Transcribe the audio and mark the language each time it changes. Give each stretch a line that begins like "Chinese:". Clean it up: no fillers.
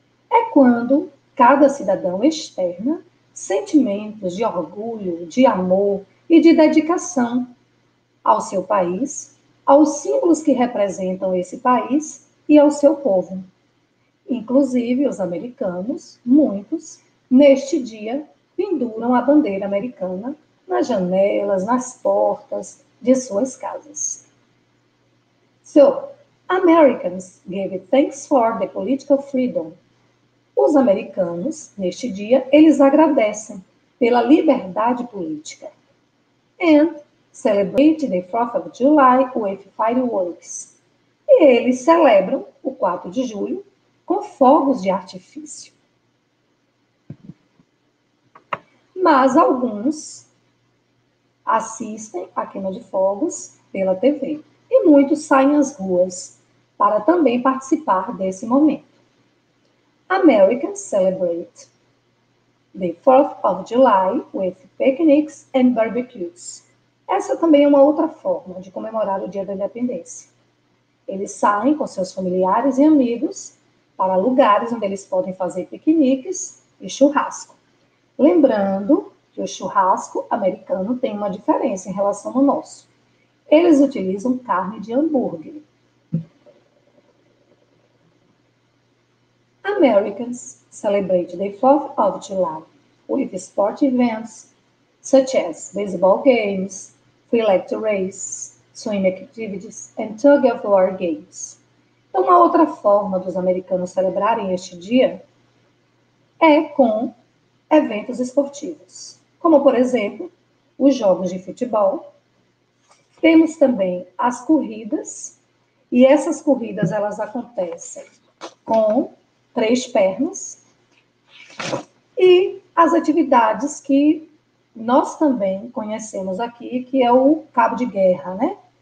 Portuguese: É quando cada cidadão externa sentimentos de orgulho, de amor e de dedicação ao seu país, aos símbolos que representam esse país e ao seu povo. Inclusive, os americanos, muitos, neste dia, penduram a bandeira americana nas janelas, nas portas de suas casas.
English: So, Americans gave thanks for the political freedom.
Portuguese: Os americanos, neste dia, eles agradecem pela liberdade política.
English: And celebrate the 4th of July with fireworks.
Portuguese: E eles celebram o 4 de julho com fogos de artifício. Mas alguns assistem à queima de fogos pela TV. E muitos saem às ruas para também participar desse momento.
English: Americans celebrate the 4th of July with picnics and barbecues.
Portuguese: Essa também é uma outra forma de comemorar o Dia da Independência. Eles saem com seus familiares e amigos para lugares onde eles podem fazer piqueniques e churrasco. Lembrando que o churrasco americano tem uma diferença em relação ao nosso. Eles utilizam carne de hambúrguer.
English: Americans celebrate the 4th of July with sport events such as baseball games, flag race, swim activities, and tug of war games.
Portuguese: Então, uma outra forma dos americanos celebrarem este dia é com eventos esportivos, como, por exemplo, os jogos de futebol. Temos também as corridas, e essas corridas elas acontecem com três pernas, e as atividades que nós também conhecemos aqui, que é o cabo de guerra, né?